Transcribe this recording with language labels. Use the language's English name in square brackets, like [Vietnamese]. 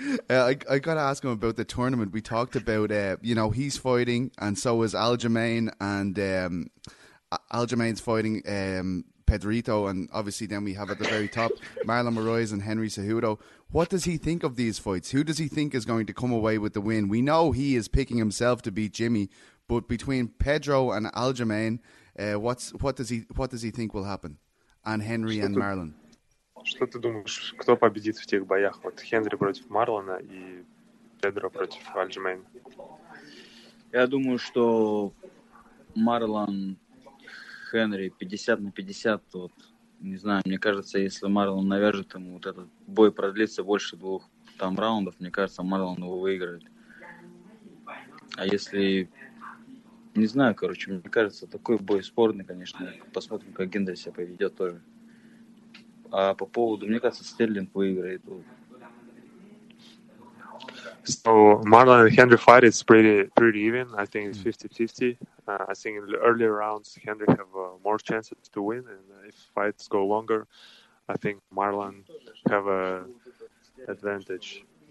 [English] I got to ask him about the tournament. We talked about, you know, he's fighting and so is Aljamain, and Aljamain's fighting Pedrito, and obviously then we have at the very top Marlon Moraes and Henry Cejudo. What does he think of these fights? Who does he think is going to come away with the win? We know he is picking himself to beat Jimmy, but between Pedro and Aljamain, what does he think will happen? And Henry and Marlon. [Russian] Что ты думаешь, кто победит в тех боях? Вот Хенри против Марлона и Педро против Альджимейна. Я думаю, что Марлон Хенри 50 на 50. Вот, не знаю, мне кажется, если Марлон навяжет ему вот этот бой продлится больше двух там раундов, мне кажется, Марлон его выиграет. А если... Не знаю, короче, мне кажется, такой бой спорный, конечно. Посмотрим, как Хенри себя поведет тоже. А по поводу, мне кажется, Стерлинг выиграет. [English] So Marlon and Henry fight is pretty even. I think it's 50-50. I think in the earlier rounds, Henry have more chances to win. And if fights go longer, I think Marlon have a advantage.